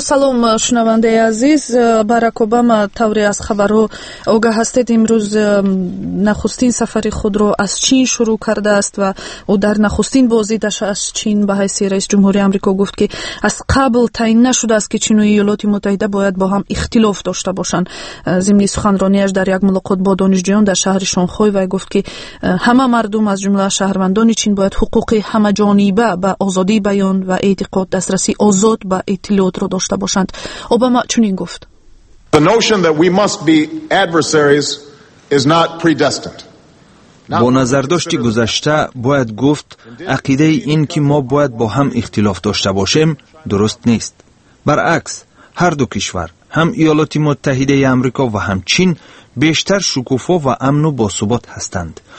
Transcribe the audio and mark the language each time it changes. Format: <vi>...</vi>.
<fa>سلام شنونده عزیز، باراک اوباما طوری از خبرو آگاه هستید، امروز نخستین سفر خود را از چین شروع کرده است و او در نخستین بازدیدش از چین به حیث رئیس جمهوری آمریکا گفت که از قبل تعیین نشده است که چین و ایالات متحده باید با هم اختلاف داشته باشند. ضمن سخنرانیش در یک ملاقات با دانشجویان در شهر شانخای و گفت که همه مردم از جمله شهروندان چین باید حقوق همه جانبه به آزادی بیان و اعتقاد دسترسی آزاد به اطلاعات را داشته باشند. اوباما چنین گفت:</fa> <en>The notion that we must be adversaries is not predestined.</en> <fa>با نظرداشت گذشته باید گفت عقیده این که ما باید با هم اختلاف داشته باشیم درست نیست. برعکس، هر دو کشور، هم ایالات متحده آمریکا و هم چین، بیشتر شکوفا و امن و باثبات هستند.</fa>